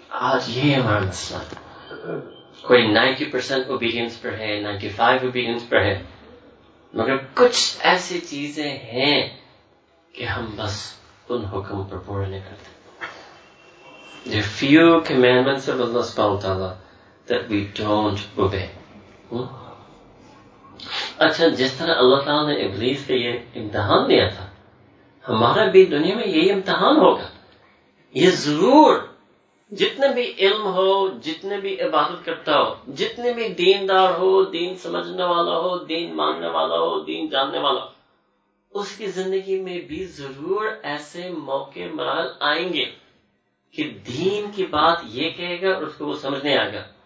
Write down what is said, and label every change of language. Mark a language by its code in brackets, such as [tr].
[ur] آج یہ ہمارا مسئلہ، کوئی 90% اوبیڈینس پر ہے، 95% اوبیڈینس پر ہے، مگر کچھ ایسی چیزیں ہیں کہ ہم بس ان حکم پر پورا نہیں کرتے. [en] The few commandments of Allah سبحانہ وتعالی that we don't obey. [ur] اچھا جس طرح اللہ تعالیٰ نے ابلیس کا یہ امتحان دیا تھا، ہمارا بھی دنیا میں یہی امتحان ہوگا. یہ ضرور جتنے بھی علم ہو، جتنے بھی عبادت کرتا ہو، جتنے بھی دیندار ہو، دین سمجھنے والا ہو، دین ماننے والا ہو، دین جاننے والا ہو، اس کی زندگی میں بھی ضرور ایسے موقع مراحل آئیں گے کہ دین کی بات یہ کہے گا اور اس کو وہ سمجھ نہیں آئے گا.